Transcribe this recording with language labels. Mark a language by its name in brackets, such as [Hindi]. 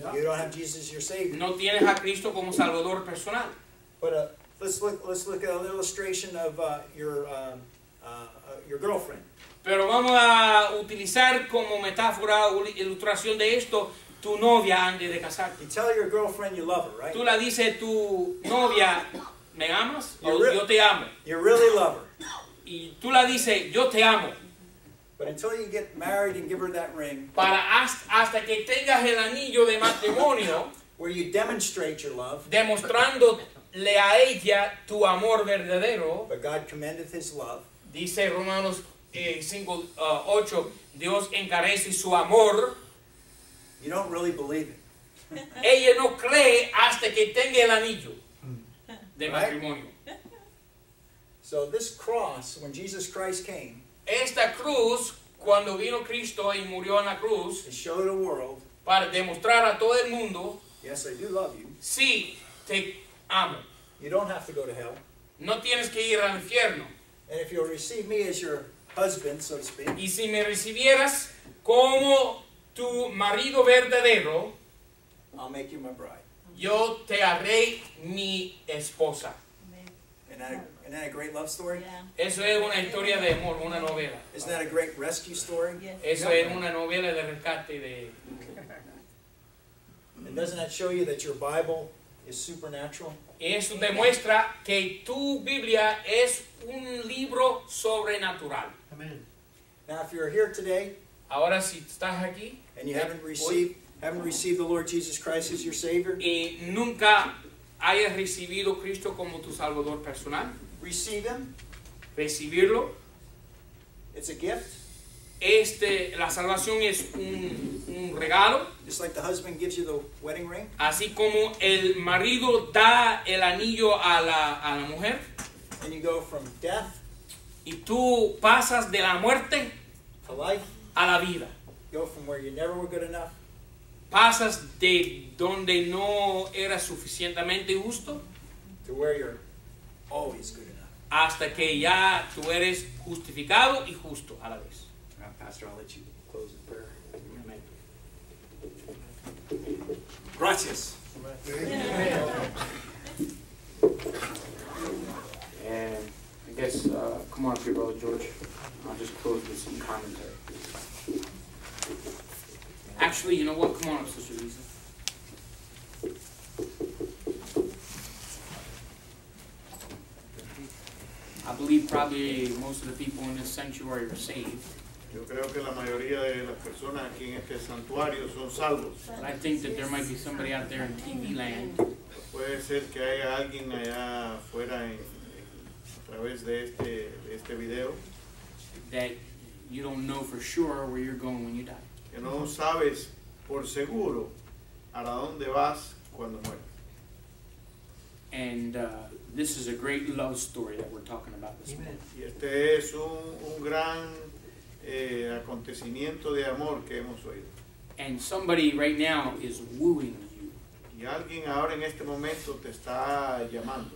[English] You don't have Jesus, your Savior. [Spanish] No tienes a Cristo como Salvador personal. [English] But let's look at an illustration of your girlfriend. [Spanish] Pero vamos a utilizar como metáfora o ilustración de esto tu novia antes de casarte. [English] You tell your girlfriend you love her, right? [Spanish] Tú la dices tu novia, ¿me amas? Yo te amo. [English] You really love her. [Spanish] Y tú la dices, yo te amo. [English] But until you get married and give her that ring, [Spanish] para hasta que tengas el anillo de matrimonio, [English] where you demonstrate your love, [Spanish] demostrándole a ella tu amor verdadero, [English] but God commendeth his love, [Spanish] dice Romanos 5:8, Dios encarece su amor, [English] you don't really believe it. [Spanish] Ella no cree hasta que tenga el anillo de matrimonio. [English] So this cross, when Jesus Christ came, [Spanish] esta cruz, cuando vino Cristo y murió en la cruz, [English] to show the world, [Spanish] para demostrar a todo el mundo, [English] yes, I do love you. [Spanish] Sí, te amo. [English] You don't have to go to hell. [Spanish] No tienes que ir al infierno. [English] And if you'll receive me as your husband, so to speak, [Spanish] y si me recibieras como tu marido verdadero, [English] I'll make you my bride. [Spanish] Yo te haré mi esposa. [English] Amen. And isn't that a great love story? [Spanish] Eso es una historia de amor, una novela. [English] Isn't that a great rescue story? [Spanish] Eso es una novela de rescate de. [English] And doesn't that show you that your Bible is supernatural? [Spanish] Eso demuestra que tu Biblia es un libro sobrenatural. [English] Amen. Now, if you're here today, [Spanish] ahora si estás aquí, [English] and you haven't received the Lord Jesus Christ as your Savior, [Spanish] y nunca hayas recibido Cristo como tu Salvador personal. [English] Receive him. [Spanish] Recibirlo. [English] It's a gift. [Spanish] La salvación es un regalo. [English] Just like the husband gives you the wedding ring. [Spanish] Así como el marido da el anillo a la mujer. [English] And you go from death. [Spanish] Y tú pasas de la muerte [English] to life. [Spanish] A la vida. [English] Go from where you never were good enough. [Spanish] Pasas de donde no era suficientemente justo. [English] To where you're always good enough. [Spanish] Hasta que ya tú eres justificado y justo a la vez. [English] Now, Pastor, I'll let you close in prayer. Amen. [Spanish] Gracias. [English] Amen. And I guess, come on up here, Brother George. I'll just close with some commentary. Actually, you know what? Come on up, Sister Lisa. I believe probably most of the people in this sanctuary are saved. [Spanish] Yo creo que la mayoría de las personas aquí en este santuario son salvos. [English] But I think that there might be somebody out there in TV land. [Spanish] Puede ser que haya alguien allá afuera en a través de este video. [English] That you don't know for sure where you're going when you die. [Spanish] Que no sabes por seguro a dónde vas cuando mueres. [English] And this is a great love story that we're talking about this morning. [Spanish] Y este es un gran acontecimiento de amor que hemos oído. [English] And somebody right now is wooing you. [Spanish] Y alguien ahora en este momento te está llamando.